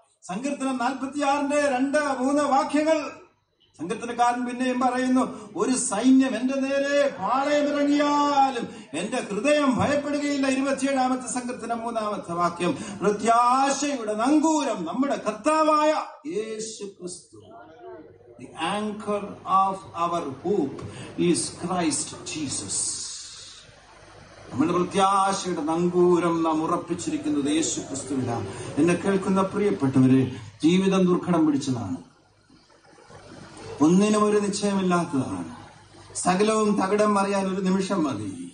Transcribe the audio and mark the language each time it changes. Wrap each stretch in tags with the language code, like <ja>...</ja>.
<ml>സങ്കീർത്തനം 46:2-3 വാക്യങ്ങൾ. സങ്കീർത്തനക്കാരൻ പിന്നെയും പറയുന്നു, ഒരു സൈന്യം എന്റെ നേരെ പാളയമിറങ്ങിയാലും എന്റെ ഹൃദയം ഭയപ്പെടുകയില്ല. 27 സങ്കീർത്തനം 3 വാക്യം, പ്രത്യാശയുടെ നങ്കൂരം നമ്മുടെ കർത്താവായ യേശു ക്രിസ്തു.</ml> <en>The anchor of our hope is Christ Jesus.</en> <ml>നമ്മുടെ പ്രത്യാശയുടെ നങ്കൂരം നാം ഉറപ്പിച്ചിരിക്കുന്നത് യേശു ക്രിസ്തുവിലാണ്. എന്നെ കേൾക്കുന്ന പ്രിയപ്പെട്ടവരെ, ജീവിതം ദുർഘടം പിടിച്ചതാണ്, ഒന്നിനും ഒരു നിശ്ചയമില്ലാത്തതാണ്, സകലവും തകിടം മറിയാൻ ഒരു നിമിഷം മതി.</ml>